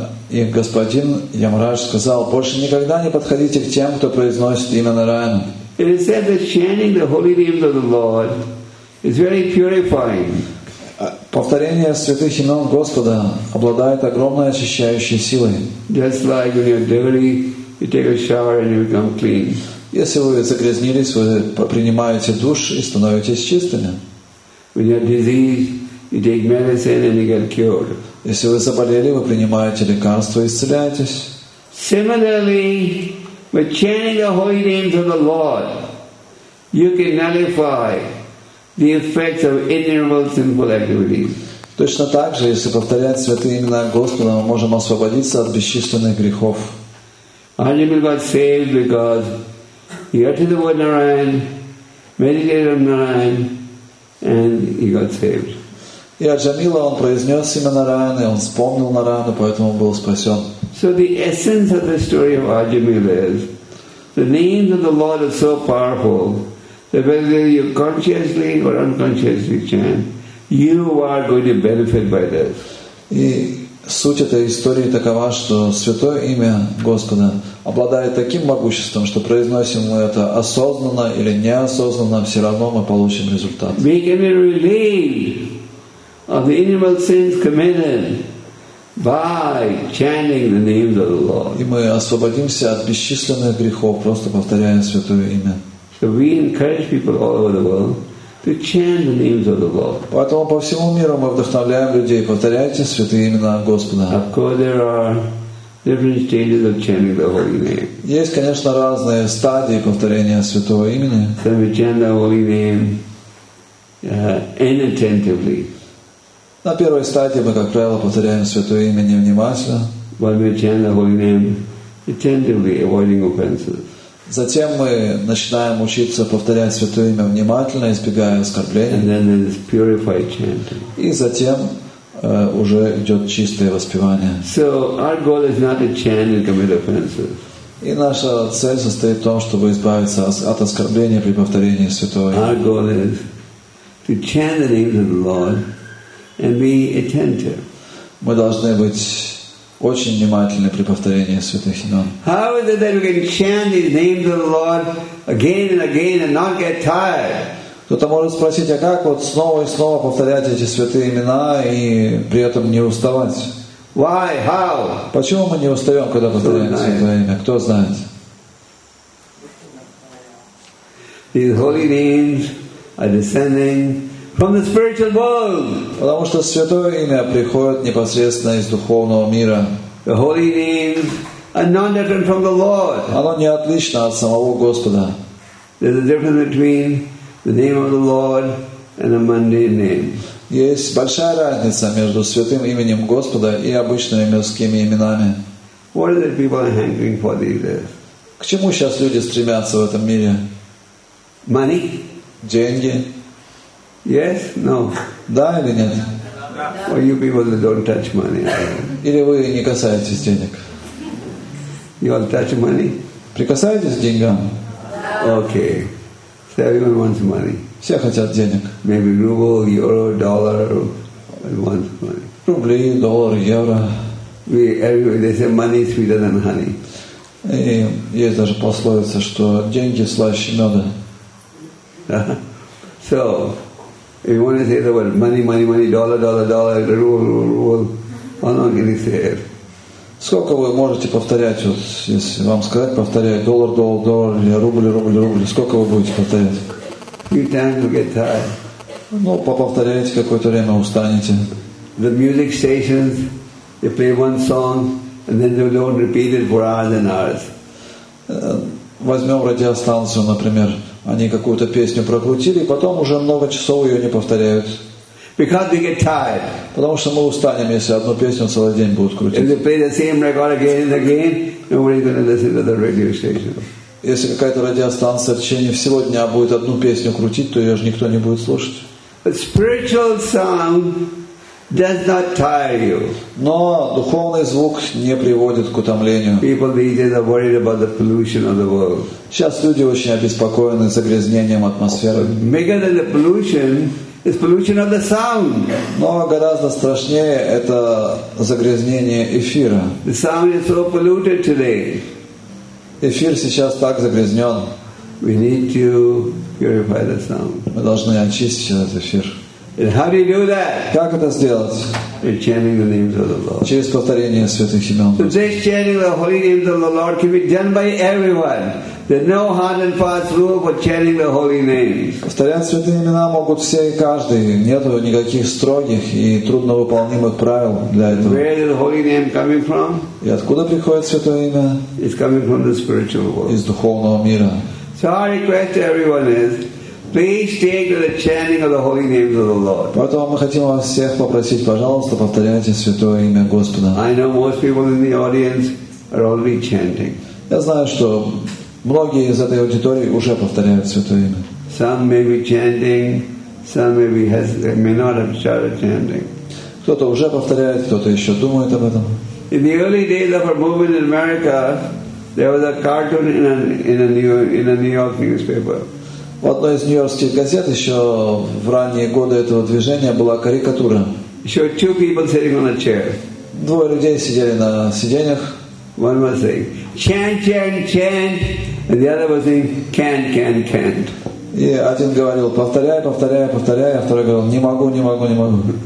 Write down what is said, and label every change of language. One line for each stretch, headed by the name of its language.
Russian: И господин Ямарадж сказал, больше никогда не подходите к тем, кто произносит имя Нараяна.
English: It is said that chanting the holy names of the Lord is very purifying.
Russian: Повторение святых имен Господа обладает огромной очищающей силой.
English: Just like when you're dirty, you take a shower and you become clean.
Russian: Если вы загрязнились, вы принимаете душ и становитесь чистыми.
English: When you're diseased, you take medicine and you get cured.
Russian: Если вы заболели, вы принимаете лекарство и исцеляетесь.
English: Similarly, by chanting the holy names of the Lord, you can nullify the effects of innumerable sinful activities.
Russian: Точно так же, если повторять святые имена Господа, мы можем освободиться от бесчисленных грехов.
English: Arjuna got saved because he uttered the word Narayan, meditated on Narayan, and he got saved.
Russian: И Арджамила, он произнес имя Нараяна, и он вспомнил Нараяну, поэтому он был спасен.
English: So the essence of the story of Arjamila is the names of the Lord are so powerful that whether you consciously or unconsciously chant, you are going to benefit by this.
Russian: И суть этой истории такова, что святое имя Господа обладает таким могуществом, что произносим мы это осознанно или неосознанно, все равно мы получим результат.
English: We can be relieved of the innumerable sins committed by chanting the names of the Lord.
Russian: И мы освободимся от бесчисленных грехов, просто повторяя святое имя.
English: So we encourage people all over the world To chant the names of the Lord.
Russian: Поэтому по всему миру мы вдохновляем людей, повторяйте святые имена Господа.
English: Of course, there are different stages of chanting the holy name.
Russian: Есть, конечно, разные стадии повторения святого имени.
English: Some we chant the holy name inattentively.
Russian: На первой стадии мы, как правило, повторяем святое имя невнимательно.
English: When we chant the holy name attentively, avoiding offenses.
Russian: Затем мы начинаем учиться повторять Святое Имя внимательно, избегая оскорблений.
English: And then there is purified chanting.
Russian: И затем уже идет чистое воспевание.
English: So our goal is not to chant and commit offenses.
Russian: И наша цель состоит в том, чтобы избавиться от оскорблений при повторении Святого Имени.
English: Our goal is to chant the name of the Lord and be attentive.
Russian: Мы должны быть очень внимательны при повторении святых имен.
English: How is it that we can chant the names of the Lord again and again and not get tired?
Russian: Кто-то может спросить, а как вот снова и снова повторять эти святые имена и при этом не уставать?
English: Why? How?
Russian: Почему мы не устаем, когда повторяем святое имя? Кто знает?
English: These holy names are descending from the spiritual world.
Russian: Потому что святое имя приходит непосредственно из духовного мира.
English: The holy names are not different from the Lord.
Russian: Оно не отлично от самого Господа.
English: There's a difference between the name of the Lord and a mundane name.
Russian: Есть большая разница между святым именем Господа и обычными мирскими именами.
English: What are the people hankering for these days?
Russian: К чему сейчас люди стремятся в этом мире?
English: Money?
Russian: Деньги?
English: Yes? No.
Russian: Да или нет?
English: Or you people that don't touch money.
Russian: Или вы не касаетесь денег?
English: You all touch money?
Russian: Прикасаетесь к деньгам?
English: Okay. So everyone wants money.
Russian: Все хотят денег.
English: Maybe ruble, euro, dollar, everyone wants money.
Russian: Рубли, доллар, евро.
English: They say money is sweeter than honey.
Russian: И есть даже пословица, что деньги слаще меда.
English: So if you want to say the word money, money, money, dollar, dollar, dollar, rule, rule, rule, I'm not going to say it.
Russian: Сколько вы можете повторять, вот, если вам сказать, повторяй доллар, доллар, доллар, или рубль, рубль, рубль, сколько вы будете повторять?
English: You tend to get tired.
Russian: Ну, поповторяйте какое-то время, устанете.
English: The music stations, they play one song, and then they don't repeat it for hours and hours.
Russian: Возьмем радиостанцию, например. Они какую-то песню прокрутили, и потом уже много часов ее не повторяют.
English: Because they get tired.
Russian: Потому что мы устанем, если одну песню целый день будут крутить.
English: If they play the same record again and again, nobody is going to listen to the radio station.
Russian: Если какая-то радиостанция в течение всего дня будет одну песню крутить, то ее же никто не будет слушать.
English: But spiritual sound does not tire you.
Russian: Но духовный звук не приводит к утомлению.
English: People these days are worried about the pollution of the world.
Russian: Сейчас люди очень обеспокоены загрязнением атмосферы.
English: Bigger than the pollution is pollution of the sound.
Russian: Но гораздо страшнее это загрязнение эфира.
English: The sound is so polluted today.
Russian: Эфир сейчас так загрязнен.
English: We need to purify the sound.
Russian: Мы должны очистить этот эфир.
English: And how do you do that?
Russian: Как это сделать?
English: In chanting the names of the Lord.
Russian: Через повторение святых имен.
English: So this chanting the holy names of the Lord can be done by everyone. There's no hard and fast rule for chanting the holy names.
Russian: Повторять святые имена могут все и каждый. Нет никаких строгих и трудновыполнимых правил для этого.
English: Where is the holy name coming from?
Russian: И откуда приходит святое имя?
English: It's coming from the spiritual world.
Russian: Из духовного мира.
English: So our request to everyone is, please take to the chanting of the holy names of the Lord.
Russian: Поэтому мы хотим вас всех попросить, пожалуйста, повторяйте святое имя Господа.
English: I know most people in the audience are already chanting.
Russian: Я знаю, что многие из этой аудитории уже повторяют святое имя.
English: Some may be chanting, some may not have started chanting.
Russian: Кто-то уже повторяет, кто-то еще думает об этом.
English: In the early days of our movement in America, there was a cartoon in a New York newspaper.
Russian: В одной из нью-йоркских газет еще в ранние годы этого движения была карикатура. Еще
English: two people sitting on a chair.
Russian: Двое людей сидели на сиденьях.
English: One was saying, chant, chant, chant. And the other was saying, can't, can't, can't.
Russian: И один говорил, повторяй, повторяй, повторяй. А второй говорил, не могу, не могу, не могу.